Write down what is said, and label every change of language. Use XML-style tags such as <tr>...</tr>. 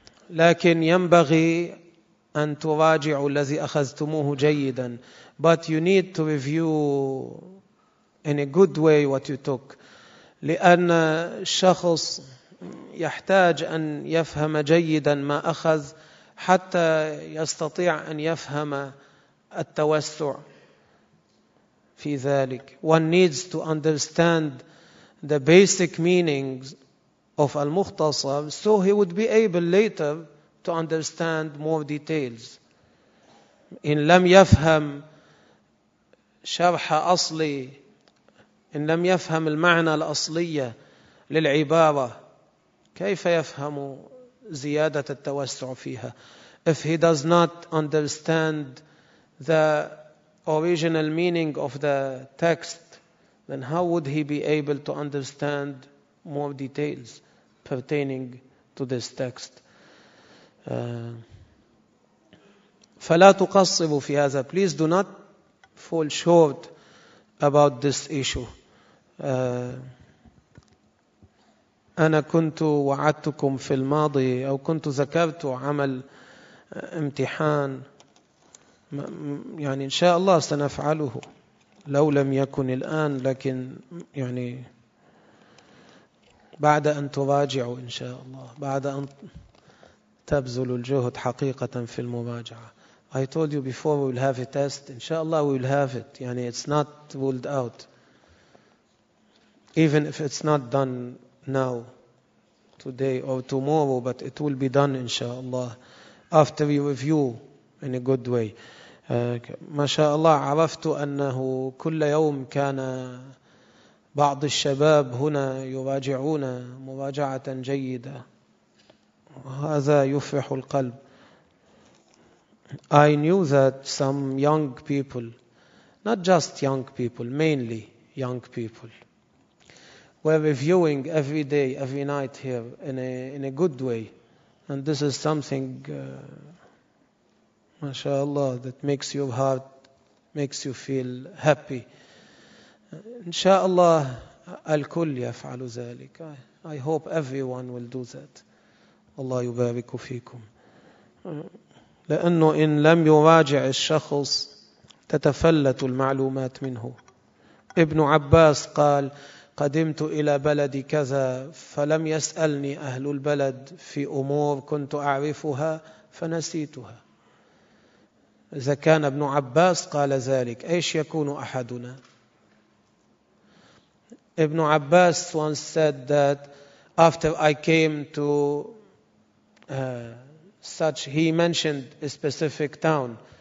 <ar>لكن ينبغي أن تراجعوا الذي أخذتموه جيدا.</ar> <en>But you need to review in a good way what you took.</en> <ar>لأن الشخص يحتاج أن يفهم جيدا ما أخذ حتى يستطيع أن يفهم التوسع في ذلك.</ar> <en>One needs to understand the basic meanings of Al-Mukhtasar so he would be able later to understand more details.</en> <ar>إن لم يفهم شرح أصلي, إن لم يفهم المعنى الأصلية للعبارة, كيف يفهم زيادة التوسع فيها؟</ar> <en>If he does not understand the original meaning of the text, then how would he be able to understand more details pertaining to this text?</en> <ar>فلا تقصروا في هذا.</ar> <en>Please do not fall short about this issue.</en> <ar>أنا كنت وعدتكم في الماضي أو كنت ذكرت عمل امتحان, يعني إن شاء الله سنفعله لو لم يكن الآن, لكن يعني بعد أن تراجعوا إن شاء الله, بعد أن تبذلوا الجهد حقيقة في المراجعة.</ar> <en>I told you before we will have a test. إن شاء الله we will have it. يعني it's not ruled out. Even if it's not done now, today or tomorrow, but it will be done inshallah after we review in a good way.</en> <ar>ما شاء الله عرفت أنه كل يوم كان بعض الشباب هنا يراجعون مراجعة جيدة, هذا يفرح القلب.</ar> <en>I knew that some young people, not just young people, mainly young people, we're reviewing every day, every night here in a good way. And this is something, mashallah, that makes your heart, makes you feel happy. Inshallah,</en> <ar>al-kul yaf'alu zalik.</ar> <en>I hope everyone will do that.</en> <ar>Allah yubariku fikum. لأنه إن لم يراجع الشخص تتفلت المعلومات منه. ابن عباس قال, قدمت إلى بلدي كذا فلم يسألني أهل البلد في أمور كنت أعرفها فنسيتها. إذا كان ابن عباس قال ذلك, إيش يكون أحدنا؟</ar> <en>ابن عباس once said that after I came to such, he mentioned a specific town.</en>